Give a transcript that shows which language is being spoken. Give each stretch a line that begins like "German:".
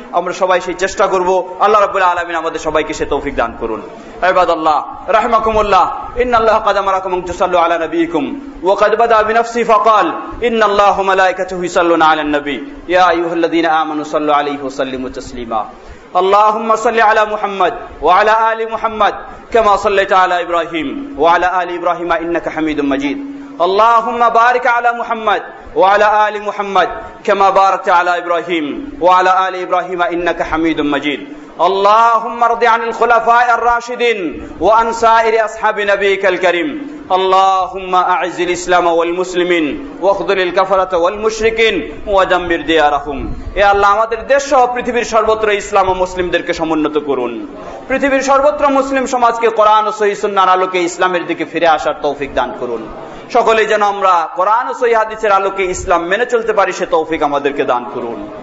Bangla: আমরা সবাই সেই চেষ্টা করব। আল্লাহ রাব্বুল আলামিন আমাদের সবাইকে সে তৌফিক দান করুন।
Arabic: ইবাদাল্লাহ রাহমাকুমুল্লাহ, ইন্নাল্লাহ ক্বাদ আমারাকুম তুসাল্লু আলা নাবিয়িকুম ওয়া ক্বাদ বাদা বিনাফসি ফাকাল ইন্নাল্লাহু মালায়েকাতুহু ইউসাল্লুনা আলান নাবী ইয়া আইয়ুহাল্লাযীনা আমানু সাল্লু আলাইহি ওয়া সাল্লিমু তাসলিমা। اللهم صل على محمد وعلى آل محمد كما صليت على إبراهيم وعلى آل إبراهيم إنك حميد مجيد. اللهم بارك على محمد وعلى آل محمد كما باركت على إبراهيم وعلى آل إبراهيم إنك حميد مجيد. اللهم ارض عن الخلفاء الراشدين وعن سائر أصحاب نبيك الكريم. اللهم أعز الإسلام والمسلمين واخذل الكفرة والمشركين ودمر ديارهم. يا الله
Bangla: আমাদের দেশ সহ পৃথিবীর সর্বত্র ইসলাম ও মুসলিমদেরকে সমুন্নত করুন, পৃথিবীর সর্বত্র মুসলিম সমাজকে কোরআন ও সহিহ সুন্নাহর আলোকে ইসলামের দিকে ফিরে আসার তৌফিক দান করুন। সকলে যেন আমরা কোরআন ও সহিহ হাদিসের আলোকে ইসলাম মেনে চলতে পারি সে তৌফিক আমাদেরকে দান করুন।